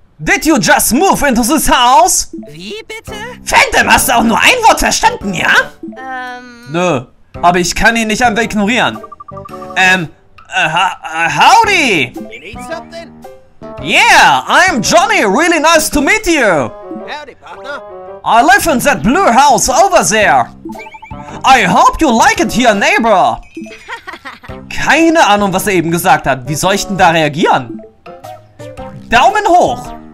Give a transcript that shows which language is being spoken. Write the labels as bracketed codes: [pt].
[en] Did you just move into this house? [de] Wie bitte? Phantom, hast du auch nur ein Wort verstanden, ja? Nö. aber ich kann ihn nicht einfach ignorieren. [en] Howdy! You need something? Yeah, I'm Johnny. Really nice to meet you. Howdy, partner. I live in that blue house over there. I hope you like it here, neighbor. [de] Keine Ahnung, was er eben gesagt hat. Wie soll ich denn da reagieren? Daumen hoch!